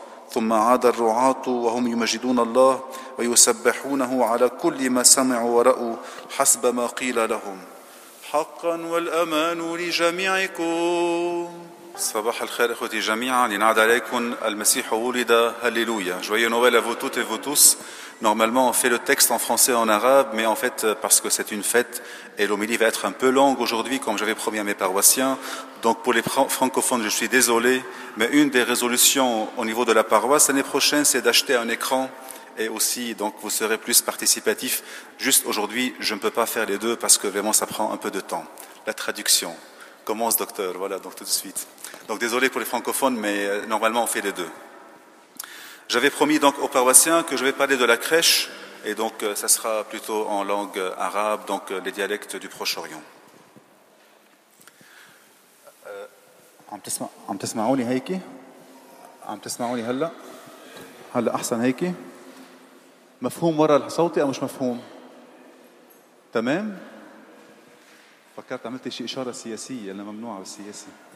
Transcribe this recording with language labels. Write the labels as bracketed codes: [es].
[ar] ثم عاد الرعاة وهم يمجدون الله ويسبحونه على كل ما سمعوا ورأوا حسب ما قيل لهم. حقا والأمان لجميعكم. صباح الخير أخوتي جميعا، ينعاد عليكم المسيح ولد، هللويا. [fr] جوي نويل à vous toutes et vous tous. Normalement, on fait le texte en français et en arabe, mais en fait, parce que c'est une fête, et l'homélie va être un peu longue aujourd'hui, comme j'avais promis à mes paroissiens. Donc pour les francophones, je suis désolé, mais une des résolutions au niveau de la paroisse l'année prochaine, c'est d'acheter un écran, et aussi, donc vous serez plus participatifs. Juste aujourd'hui, je ne peux pas faire les deux, parce que vraiment, ça prend un peu de temps. La traduction commence, docteur, voilà, donc tout de suite. Donc désolé pour les francophones, mais normalement, on fait les deux. J'avais promis donc aux paroissiens que je vais parler de la crèche, et donc ça sera plutôt en langue arabe, donc les dialectes du Proche-Orient. [ar] عم تسمعوني هيك؟ عم تسمعوني هلا؟ هلا أحسن هيك؟ مفهوم ورا صوتي أو مش مفهوم؟ تمام؟ فكرت عملت شيء إشارة سياسية، أنا ممنوع بالسياسة.